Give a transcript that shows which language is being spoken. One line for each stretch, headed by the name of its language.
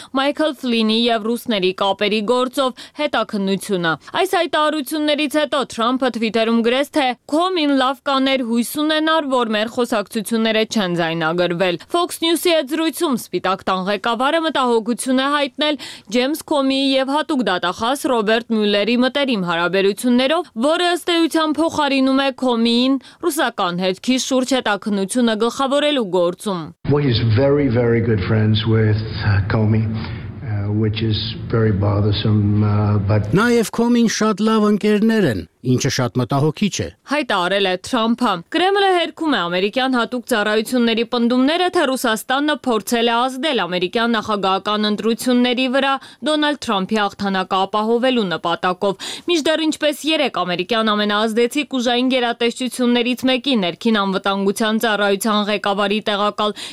Armenian: Մայքլ Ֆլինի և ռուսների կապերի գործով հետաքննությունը։ Այս հայտարարություններից հետո Թրամփը Թվիտերում գրեց, թե Կոմին լավ կաներ, հույս ունենար, որ մեր խոսակցությունները չեն ձայնագրվել։ Fox News-ի հետ զրույցում Սպիտակ տան ղեկավարը մտահոգություն է հայտնել Ջեյմս Կոմիի և հատուկ դատախազ Ռոբերտ Մյուլերի մտերիմ հարաբերություններով, որը ըստ էության փոխարինում է Կոմիին ռուսական հետքի շուրջ հետաքնությունը գլխավորելու գործում։
English: He is very very good friends with Comey, which is very bothersome, but
Armenian: Նաև Կոմին շատ լավ ընկերներ են, ինչը շատ մտահոգիչ է, հայտարարել է Թրամփը։ Կրեմլը հերքում է ամերիկյան հատուկ ծառայությունների պնդումները, թե Ռուսաստանը փորձել է ազդել ամերիկյան նախագահական ընտրությունների վրա Դոնալդ Թրամփի հաղթանակը ապահովելու նպատակով։ Միջդեռ, ինչպես երեք ամերիկյան ամենաազդեցիկ ուժային գերատեսչություններից մեկի ներքին անվտանգության ծառայության ղեկավարի տեղակալ